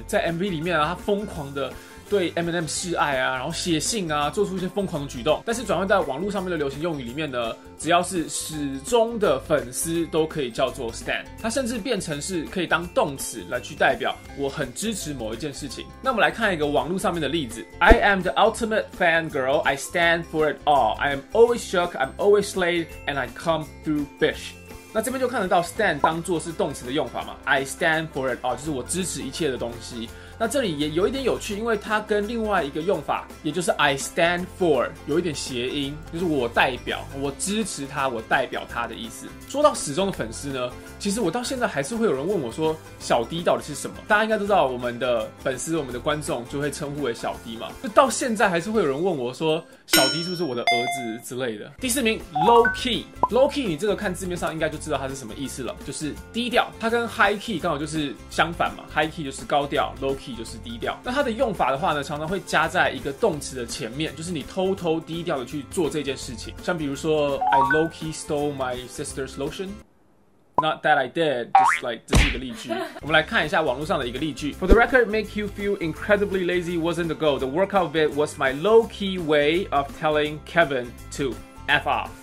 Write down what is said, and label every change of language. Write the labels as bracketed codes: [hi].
[zh] 在 MV 里面啊，他疯狂的对 Eminem 示爱啊，然后写信啊，做出一些疯狂的举动。但是转换在网络上面的流行用语里面呢，只要是始终的粉丝都可以叫做 Stan。它甚至变成是可以当动词来去代表我很支持某一件事情。那我们来看一个网络上面的例子。 [en] I am the ultimate fangirl, I stand for it all, I am always shook, I'm always late, and I come through bitch。 [zh] 那这边就看得到 stand 当作是动词的用法嘛， [en] I stand for it all， [zh] 就是我支持一切的东西。那这里也有一点有趣，因为它跟另外一个用法，也就是 [en] I stand for [zh] 有一点谐音，就是我代表，我支持他，我代表他的意思。说到始终的粉丝呢，其实我到现在还是会有人问我说小D到底是什么。大家应该都知道我们的粉丝，我们的观众就会称呼为小D嘛，就到现在还是会有人问我说小D是不是我的儿子之类的。第四名 low key， 你这个看字面上应该就知道它是什么意思了，就是低调。它跟 high key 刚好就是相反嘛， high key 就是高调， low key 就是低调。那它的用法的话呢，常常会加在一个动词的前面，就是你偷偷低调的去做这件事情。像比如说 [en] I low key stole my sister's lotion。 Not that I did, just like [zh] 这是一个例句。我们来看一下网络上的一个例句。 [en] For the record, make you feel incredibly lazy wasn't the goal. The workout bit was my low-key way of telling Kevin to F off.